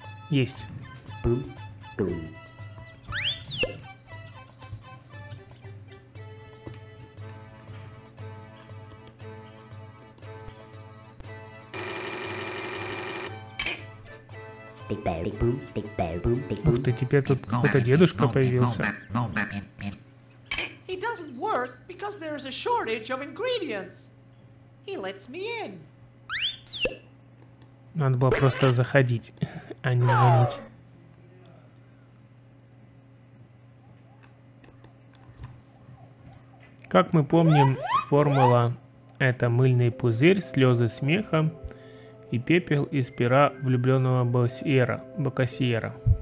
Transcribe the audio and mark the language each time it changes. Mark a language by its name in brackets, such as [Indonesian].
[Russian] Есть. Ух ты, теперь тут какой-то дедушка появился. [English] He doesn't work because there is a shortage of ingredients. He lets me in. [Russian] Надо было просто заходить, а не звонить. Как мы помним, формула — это мыльный пузырь, слезы смеха и пепел из пера влюбленного Бокасиера.